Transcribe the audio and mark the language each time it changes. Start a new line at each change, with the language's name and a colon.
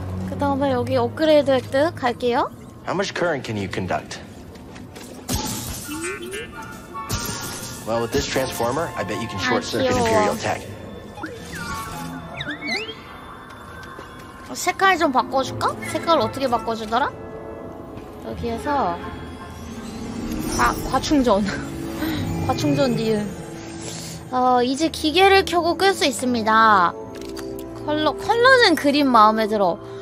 Korean: 그다음에 여기 업그레이드 획득 갈게요.
English: How much current can you conduct? Well, with this transformer, I bet you can short circuit Imperial tech.
Korean: 색깔 좀 바꿔줄까? 색깔 어떻게 바꿔주더라? 여기에서 과충전 과충전 니은. 이제 기계를 켜고 끌 수 있습니다. 컬러, 컬러는 그린 마음에 들어.